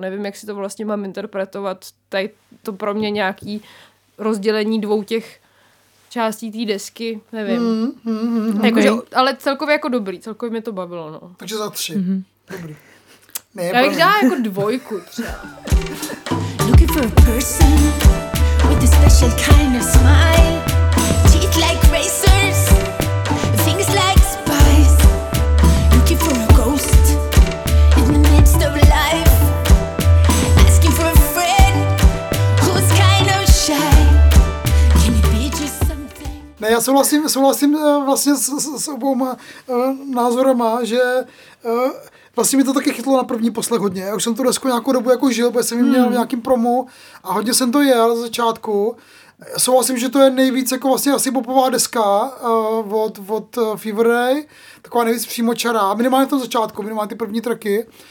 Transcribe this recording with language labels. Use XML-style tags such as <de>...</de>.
<cs>Nevím, jak si to vlastně mám interpretovat. Tady to pro mě nějaký rozdělení dvou těch částí té desky, nevím. Jakože, ale celkově jako dobrý, celkově mě to bavilo. No. Takže za tři. Mm-hmm. Dobrý. Nejebrý. Já bych dala jako dvojku třeba.</cs> <en>Looking for a person with a special kind of smile. Teeth like razors. Things like spice. Looking for a ghost in the midst of life. Asking for a friend who's kind of shy. Can it be just something?</en> <cs>Ne, já souhlasím vlastně s obouma názorama, že vlastně mi to taky chytlo na první poslech hodně. Já už jsem tu desku nějakou dobu jako žil, protože jsem ji měl v nějakým promu a hodně jsem to jel ze začátku. Souhlasím, že to je nejvíc jako vlastně asi popová deska od Fever Ray, taková nejvíc přímočará, minimálně v tom začátku, minimálně ty první tracky.</cs>